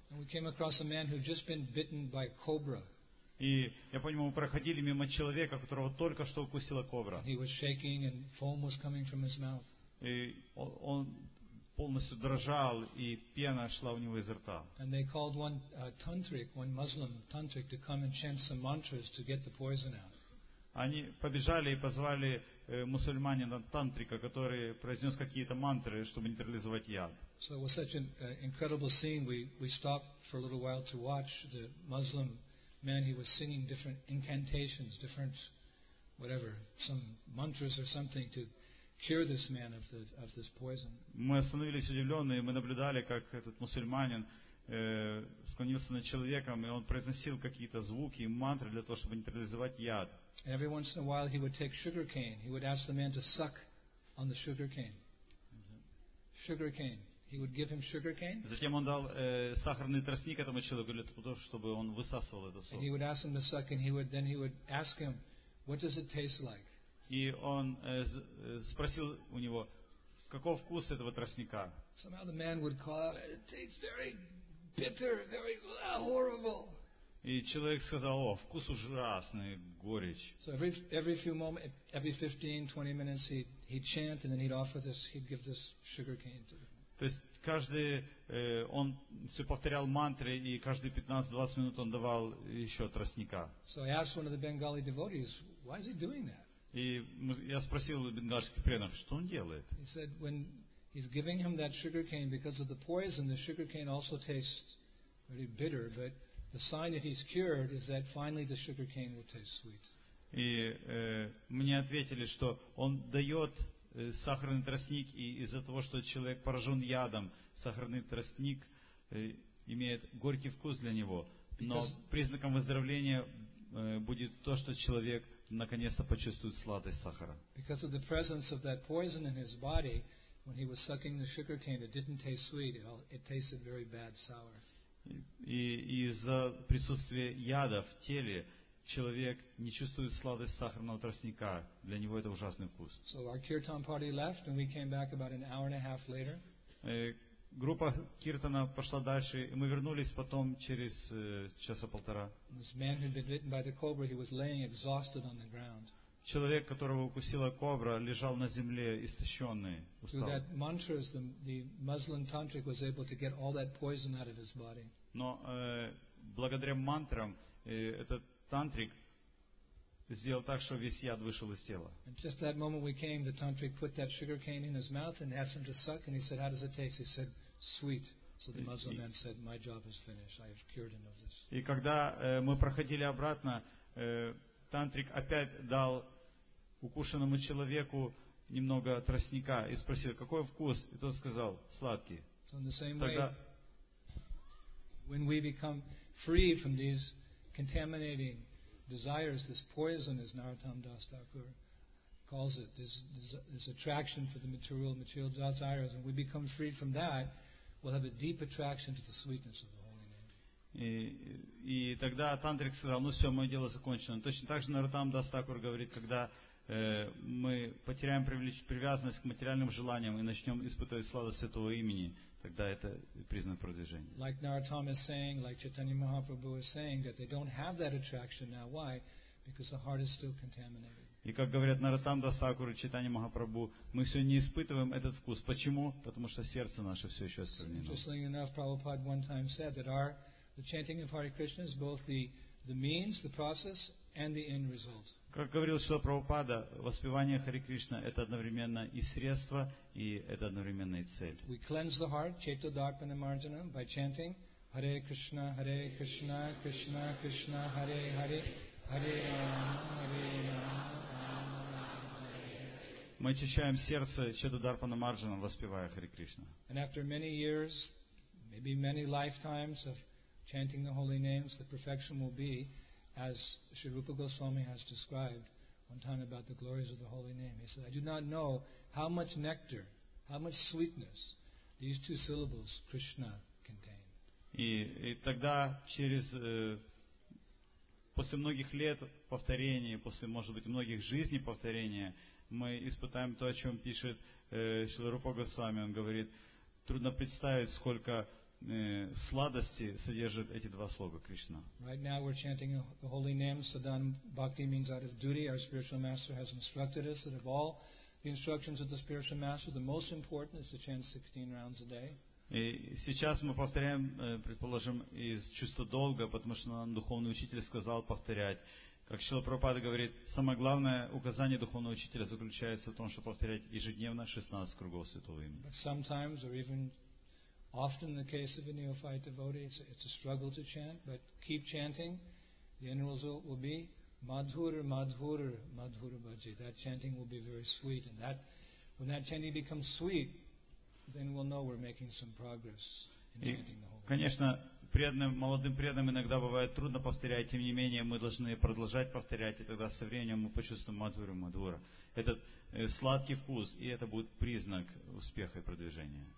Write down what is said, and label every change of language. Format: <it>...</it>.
<en>And we came across a man who had just been bitten by a cobra.</en> <ru>И я понимаю, мы проходили мимо человека, которого только что укусила кобра.</ru> <en>He was shaking and foam was coming from his mouth.</en> <ru>И он полностью дрожал, и пена шла у него изо рта.</ru> <en>And they called one tantric, one Muslim tantric, to come and chant some mantras to get the poison out.</en> <ru>Они побежали и позвали мусульманина тантрика, который произнес какие-то мантры, чтобы нейтрализовать яд.</ru> <en>So it was such an incredible scene. We stopped for a little while to watch the Muslim man. He was singing different incantations, different whatever, some mantras or something to cure this man of this poison.</en> <ru>Мы остановились удивленные, мы наблюдали, как этот мусульманин склонился над человеком, и он произносил какие-то звуки и мантры для того, чтобы нейтрализовать яд.</ru> <en>And every once in a while he would take sugar cane. He would ask the man to suck on the sugar cane. Sugar cane. He would give him sugar cane.</en> <ru>Затем он дал сахарный тростник этому человеку для того, чтобы он высасывал этот сок.</ru> <en>And he would ask him to suck, and he would ask him, what does it taste like?</en> <ru>И он спросил у него, каков вкус этого тростника.</ru> <en>Somehow the man would call out, it tastes very bitter, very horrible.</en> <ru>И человек сказал: о, вкус ужасный, горечь.</ru> <en>So every few moments, every 15-20 minutes, he'd chant, and then he'd give this sugar cane to them.</en> <ru>То есть каждый он все повторял мантры, и каждые 15-20 минут он давал еще тростника.</ru> <en>So I asked one of the Bengali devotees, why is he doing that?</en> <ru>И я спросил бенгальских преданных, что он делает.</ru> <en>He said, when he's giving him that sugar cane because of the poison, the sugar cane also tastes very bitter, but the sign that he's cured is that finally the sugar cane will taste sweet.</en> <ru>И мне ответили, что он дает сахарный тростник, и из-за того, что человек поражен ядом, сахарный тростник имеет горький вкус для него. Но признаком выздоровления будет то, что человек наконец-то почувствует сладость сахара.</ru> <en>Because of the presence of that poison in his body, when he was sucking the sugar cane, it didn't taste sweet. It tasted very bad, sour.</en> <ru>И из-за присутствия яда в теле человек не чувствует сладость сахарного тростника. Для него это ужасный вкус.</ru> <en>So our kirtan party left, and we came back about an hour and a half later.</en> <ru>Группа киртана пошла дальше, и мы вернулись потом через часа полтора.</ru> <en>This man who had been bitten by the cobra, he was laying exhausted on the ground.</en> <ru>Человек, которого укусила кобра, лежал на земле истощенный, устал.</ru> <en>Through that mantras, the Muslim tantric was able to get all that poison out of his body.</en> <ru>Но благодаря мантрам этот тантрик сделал так, что весь яд вышел из тела.</ru> <en>And just that moment we came, the tantric put that sugar cane in his mouth and asked him to suck, and he said, "How does it taste?" He said, "Sweet." So the Muslim man said, "My job is finished. I have cured him of this."</en> <ru>И когда мы проходили обратно, тантрик опять дал укушенному человеку немного тростника и спросил, какой вкус, и тот сказал, сладкий.</ru> <en>So in the same way, when we become free from these contaminating desires, this poison, as Narottam Das Thakur calls it, this attraction for the material desires, and we become free from that, we'll have a deep attraction to the sweetness of the Holy Name.</en> <ru>И тогда тантрик сказал, ну все, мое дело закончено. Точно так же Нарутам Дас Такур говорит, когда мы потеряем привязанность к материальным желаниям и начнем испытывать славу Святого Имени, тогда это признак продвижения.</ru> <en>Like Narottam is saying, like Chaitanya Mahaprabhu is saying, that they don't have that attraction now. Why? Because the heart is still contaminated.</en> <ru>И как говорят Нарутам Дас Такур и Чайтанья Махапрабху, мы все не испытываем этот вкус. Почему? Потому что сердце наше все еще осквернено.</ru> <en>Interestingly enough, Prabhupada one time said that our the chanting of Hare Krishna is both the means, the process, and the end result.</en> <ru>Как говорил Шрила Прабхупада, воспевание Хари Кришна это одновременно и средство, и это одновременно и цель.</ru> <en>We cleanse the heart,</en> <sa>chaito darpana marjanam,</sa> <en>by chanting Hare Krishna, Hare Krishna, Krishna Krishna, Hare Hare, Hare Rama, Hare Rama.</en> <ru>Мы очищаем сердце</ru> <sa>chaito darpana marjanam,</sa> <ru>воспевая Хари Кришна.</ru> <en>And after many years, maybe many lifetimes of chanting the holy names, the perfection will be, as Sri Rupa Goswami has described one time about the glories of the holy name. He said, I do not know how much nectar, how much sweetness these two syllables, Krishna, contain.</en> <ru>И тогда через после многих лет повторения, после, может быть, многих жизней повторения, мы испытаем то, о чем пишет Шри Рупа Госвами. Он говорит, трудно представить, сколько сладости содержат эти два слога Кришна.</ru> <en>Right now we're chanting the holy name. Sadan Bhakti means out of duty. Our spiritual master has instructed us that of all the instructions of the spiritual master, the most important is to chant 16 rounds a day.</en> <ru>И сейчас мы повторяем, предположим, из чувства долга, потому что нам духовный учитель сказал повторять. Как Шрила Прабхупада говорит, самое главное указание духовного учителя заключается в том, чтобы повторять ежедневно 16 кругов Святого Имени.</ru> <en>But sometimes, or even often in the case of a neophyte devotee, it's a struggle to chant, but keep chanting. The end result will be</en> <sa>madhura, madhura, madhura bhaji.</sa> <en>That chanting will be very sweet. And that, when that chanting becomes sweet, then we'll know we're making some progress in chanting the whole.</en> <ru>Конечно, преданным, молодым преданным иногда бывает трудно повторять, тем не менее, мы должны продолжать повторять, и тогда со временем мы почувствуем мадхуру, мадхура. Этот сладкий вкус, и это будет признак успеха и продвижения.</ru>